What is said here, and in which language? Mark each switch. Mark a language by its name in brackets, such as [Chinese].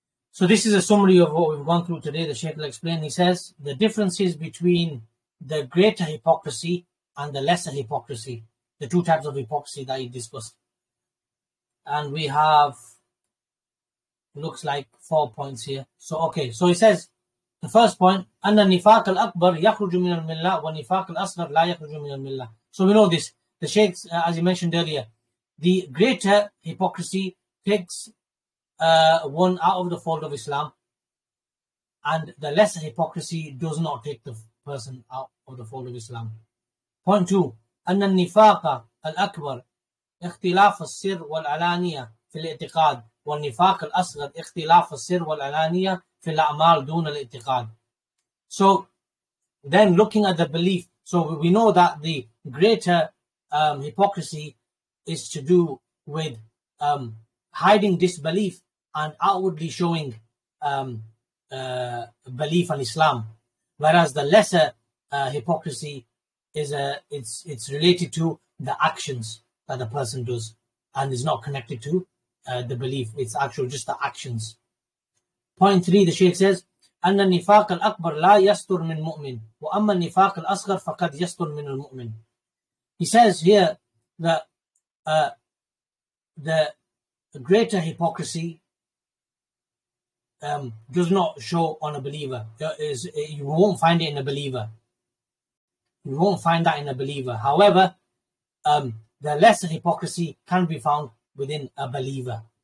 [English] So this is a summary of what we've gone through today. The Shaykh will explain. He says, the differences between the greater hypocrisy and the lesser hypocrisy, the two types of hypocrisy that he discussed. And we have, looks like, 4 points here. So, okay, so he says, the first point, [Arabic] أَنَّ نِفَاقَ الْأَكْبَرْ يَخْرُجُ مِنَ الْمِلَّةِ وَنِفَاقَ الْأَصْغَرْ لَا يَخْرُجُ مِنَ الْمِلَّةِ. [English] So we know this. The Shaykhs, as you mentioned earlier, the greater hypocrisy takes one out of the fold of Islam, and the lesser hypocrisy does not take the person out of the fold of Islam. Point two, [Arabic] أن النفاق الأكبر اختلاف السر والعلانية في الاعتقاد والنفاق الأصغر اختلاف السر والعلانية في الأعمال دون الاعتقاد. [English] So then looking at the belief, so we know that the greater hypocrisy is to do with hiding disbelief and outwardly showing belief in Islam, whereas the lesser hypocrisy is it's related to the actions that the person does and is not connected to the belief. It's actually just the actions. Point three, the Shaykh says, [Arabic] أن النفاق الأكبر لا يستر من مؤمن وأما النفاق الأصغر فقد يستر من المؤمن. [English] He says here that the greater hypocrisy does not show on a believer. You won't find it in a believer. You won't find that in a believer. However, the lesser hypocrisy can be found within a believer.